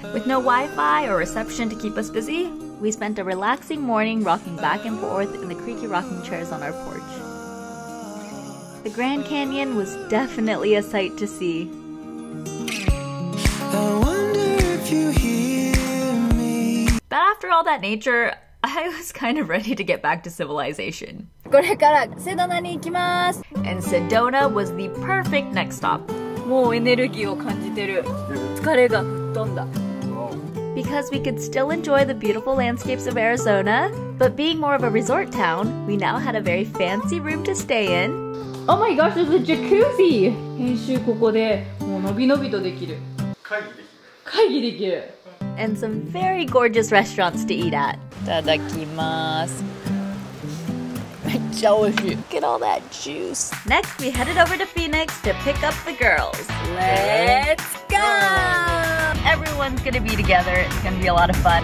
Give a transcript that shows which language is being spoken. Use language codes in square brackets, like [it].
[en] With no Wi-Fi or reception to keep us busy, we spent a relaxing morning rocking back and forth in the creaky rocking chairs on our porch. The Grand Canyon was definitely a sight to see. I wonder if you hear me. But after all that nature, I was kind of ready to get back to civilization. [ja] これからセドナに行きます。 [en] And Sedona was the perfect next stop. [ja] もうエネルギーを感じてる。疲れが吹っ飛んだ。 [en] Because we could still enjoy the beautiful landscapes of Arizona, but being more of a resort town, we now had a very fancy room to stay in. Oh my gosh, there's a jacuzzi! [ja] 編集ここでもうのびのびとできる。会議できる。会議できる。 [en] And some very gorgeous restaurants to eat at. Look at all that juice. Next, we headed over to Phoenix to pick up the girls. Let's go! Everyone's gonna be together. It's gonna be a lot of fun.